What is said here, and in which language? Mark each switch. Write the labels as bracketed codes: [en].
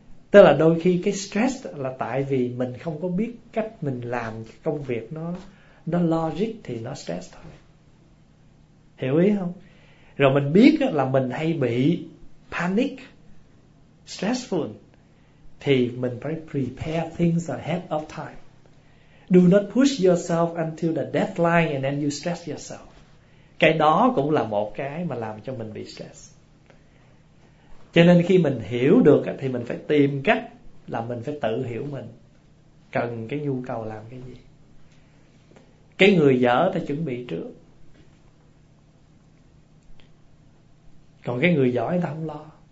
[vi] Tức là đôi khi cái stress là tại vì mình không có biết cách mình làm công việc nó logic thì nó stress thôi. Hiểu ý không? Rồi mình biết là mình hay bị panic, stressful, thì mình phải [en] prepare things ahead of time. Do not push yourself until the deadline and then you stress yourself. [vi] Cái đó cũng là một cái mà làm cho mình bị stress. Cho nên khi mình hiểu được thì mình phải tìm cách là mình phải tự hiểu mình cần cái nhu cầu làm cái gì. Cái người dở thì chuẩn bị trước, còn cái người giỏi thì không lo.